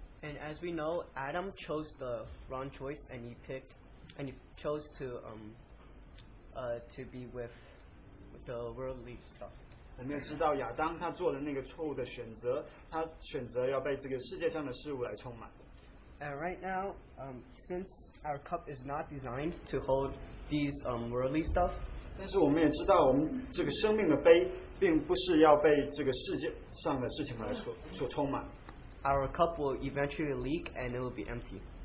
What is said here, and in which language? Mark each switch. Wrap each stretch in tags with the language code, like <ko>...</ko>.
<en>And as we know, Adam chose the wrong choice and he chose to be with the worldly stuff.</en> <zh>我们也知道亚当他做了那个错误的选择，他选择要被这个世界上的事物来充满。</zh> <en>And right now, since our cup is not designed to hold these worldly stuff,</en> <zh>但是我们也知道我们这个生命的杯并不是要被这个世界上的事情来充满。</zh> <en>Our cup will eventually leak and it will be empty.</en>